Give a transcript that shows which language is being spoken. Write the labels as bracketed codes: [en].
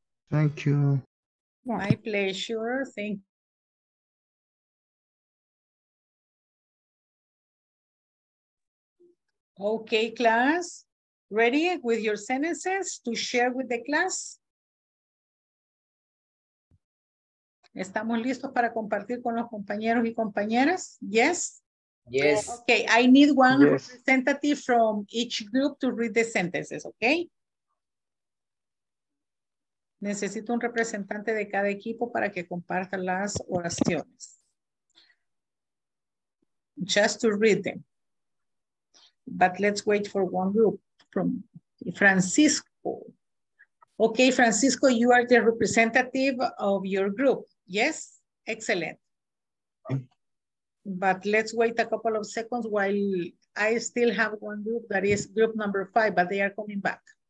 [en] Thank you. Yeah. My pleasure. Thank you. Okay, class. Ready with your sentences to share with the class? [es] ¿Estamos listos para compartir con los compañeros y compañeras? [en] Yes. Yes. Okay, I need one yes. representative from each group to read the sentences, okay? [es] Necesito un representante de cada equipo para que comparta las oraciones. [en] Just to read them. But let's wait for one group from Francisco. Okay, Francisco, you are the representative of your group. Yes? Excellent. But let's wait a couple of seconds while I still have one group that is group number 5, but they are coming back.